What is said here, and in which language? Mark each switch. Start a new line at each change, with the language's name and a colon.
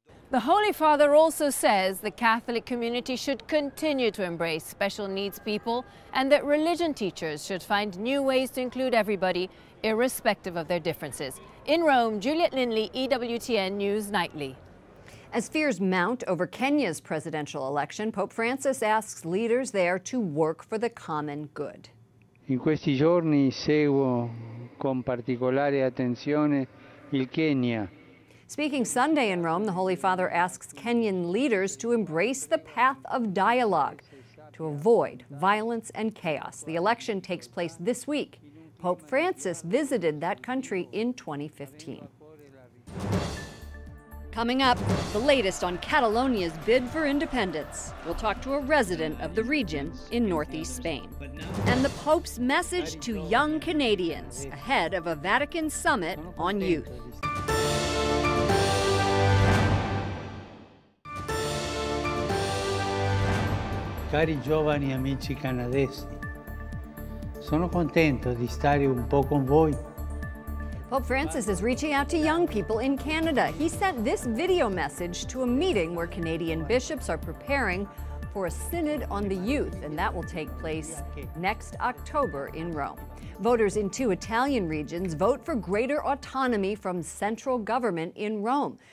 English: The Holy Father also says the Catholic community should continue to embrace special needs people, and that religion teachers should find new ways to include everybody, irrespective of their differences. In Rome, Juliet Lindley, EWTN News Nightly. As fears mount over Kenya's presidential election, Pope Francis asks leaders there to work for the common good.
Italian: In questi giorni seguo con particolare attenzione il Kenya.
English: Speaking Sunday in Rome, the Holy Father asks Kenyan leaders to embrace the path of dialogue to avoid violence and chaos. The election takes place this week. Pope Francis visited that country in 2015. Coming up, the latest on Catalonia's bid for independence. We'll talk to a resident of the region in northeast Spain. And the Pope's message to young Canadians ahead of a Vatican summit on youth.
Italian: Cari giovani amici canadesi, sono contento di stare un po' con voi.
English: Pope Francis is reaching out to young people in Canada. He sent this video message to a meeting where Canadian bishops are preparing for a synod on the youth, and that will take place next October in Rome. Voters in two Italian regions vote for greater autonomy from central government in Rome.